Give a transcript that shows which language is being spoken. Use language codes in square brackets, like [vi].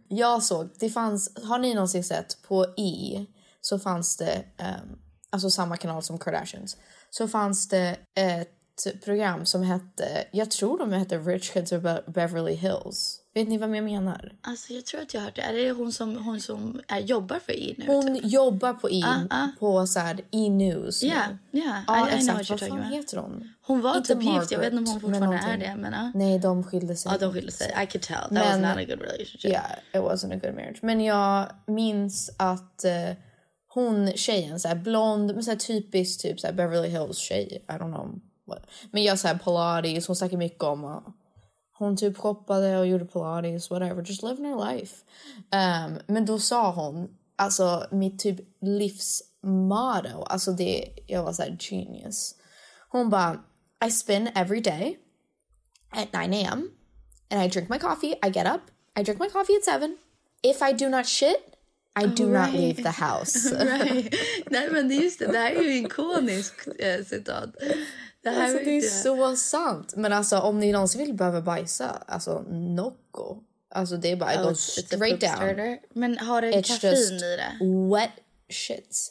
[sv] Jag såg, det fanns, har ni någonsin sett på E så fanns det, alltså samma kanal som Kardashians, så fanns det ett program som hette, jag tror de hette Rich Kids of Beverly Hills. Vet ni vad jag menar? Alltså jag tror att jag har hört det. Är det hon som jobbar för E! Nu? Hon typ? Jobbar på E! På så här, E! News. Ja, [en] yeah, yeah. [sv] Exakt. Vad fan heter hon? Hon var inte typ gift. Jag vet inte om hon fortfarande är det. Men, Nej, de skilde sig. Ja, de skilde sig. [en] I could tell. That was not a good relationship. Yeah, it wasn't a good marriage. [sv] Men jag minns att hon, tjejen, så här, blond, men så här, typisk typ så här, Beverly Hills tjej. [en] I don't know. What. [sv] Men jag säger Pilates. Hon snackar mycket om att hon typ shoppade och gjorde Pilates, whatever. [en] Just living her life. [sv] Men då sa hon, alltså mitt typ livsmotto. Alltså det, jag var såhär genius. Hon bara, [en] I spin every day at 9 a.m. And I drink my coffee, I get up, I drink my coffee at 7. If I do not shit, I do not leave the house. [sv] Nej, men just det, det här är ju en konisk citat. Det här alltså, det är så sant. Men alltså, om ni någonsin vill behöva bajsa, alltså, nocco. Alltså, det är bara, [en] oh, straight down. Starter. [sv] Men har du kaffein i det? [en] It's just wet shit.